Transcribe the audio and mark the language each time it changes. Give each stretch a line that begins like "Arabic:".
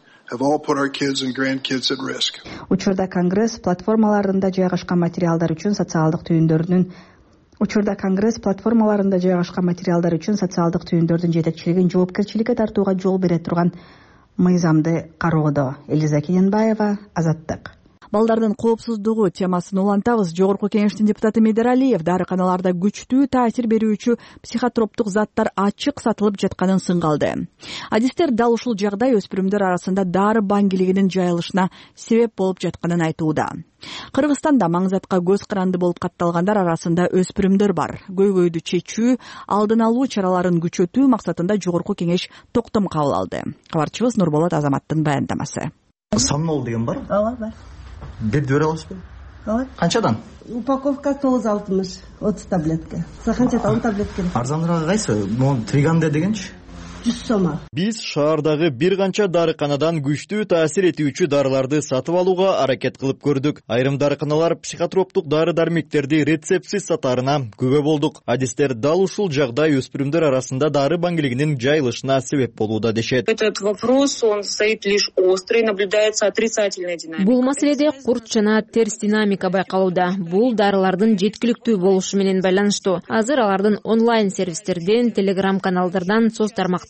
English: Have all put our kids and grandkids at risk.
Kyrgyz: Учурда Конгресс платформаларында жайгашкан материалдар үчүн социалдык түйүндөрдүн жетекчилигин жоопкерчиликке тартууга жол бере турган мыйзамды кароодо. Элиза Кененбаева, Азаттык. Балдардын коопсуздугу темасын улантабыз. Жогорку кеңештин депутаты Медер Алиев дарыканаларда күчтүү таасир берүүчү психотроптук заттар ачык сатылып жатканын сынга алды. Адистер дал ушул жагдай өспүрүмдөр арасында дары баңгилигинин жайылышына себеп болуп жатканын айтууда. Кыргызстанда маңзатка көз каранды болуп катталгандар арасында өспүрүмдөр бар. Көйгөйдү чечүү, алдын алуу чараларын күчөтүү максатында жогорку кеңеш токтом кабыл алды. Кабарчыбыз Нурболот Азаматтын баяндамасы. Сомнол деген бар? Ала бар. Бир бере аласызбы? Ала. Канчадан? Упаковка 9.60, 30 таблетка. Сага канчада 10 таблетка? Арзаныраагы кайсы? Мон триганде дегенчи? 100 сома. Биз шаардагы бир канча дарыканадан күчтүү таасир этүүчү дарыларды сатып алууга аракет кылып көрдүк. Айрым дарыканалар психотроптук дары-дармектерди рецептсиз сатарына күбө болдук. Адистер дал ушул жагдай өспүрүмдөр арасында дары баңгилигинин жайылышына себеп болууда дешет.
Russian: Этот вопрос, он стоит лишь острый, наблюдается отрицательная динамика.
Kyrgyz: Бул маселеде курт жана терс динамика байкалууда. Бул дарылардын жеткиликтүү болушу менен байланыштуу. Азыр алардын онлайн сервистерден, Telegram каналдардан соцтармактардан